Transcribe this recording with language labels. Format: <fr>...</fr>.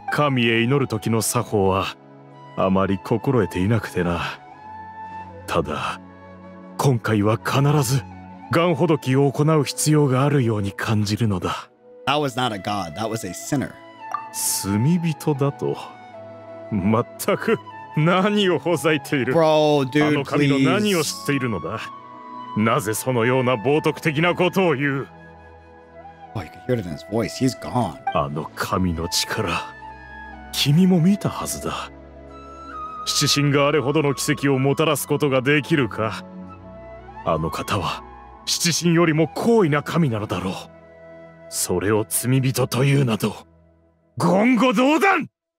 <ja>神へ祈る時の作法はあまり心得ていなくてな。ただ、今回は必ず。ガンホドキを行う必要があるように感じるのだ。</ja> <en>That was not a god, that was a sinner.</en> <ja>罪人だと。まったく、何をほざいている。</ja> <en>Bro, dude,</en> <ja>あの神の何を知っているのだ。なぜそのような冒涜的なことを言う。</ja> <en>Oh, you can hear it in his voice, he's gone.</en> <ja>あの神の力、君も見たはずだ。七神があれほどの奇跡をもたらすことができるか。あの方は、七神よりも高位な神なのだろう。それを罪人というなど、言語道断。</ja>